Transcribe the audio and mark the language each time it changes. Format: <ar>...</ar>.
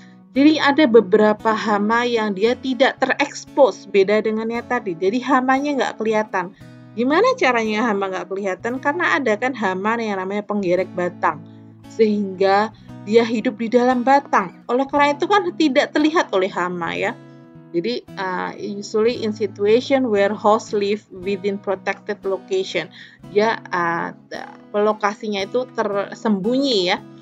<id>Jadi ada beberapa hama yang dia tidak terekspos, beda dengan yang tadi. Jadi hamanya nggak kelihatan. Gimana caranya hama nggak kelihatan? Karena ada kan hama yang namanya penggerek batang. Sehingga dia hidup di dalam batang. Oleh karena itu kan tidak terlihat oleh hama ya. Jadi</id> <en>usually in situation where host live within protected location.</en> <id>Dia lokasinya itu tersembunyi ya.</id>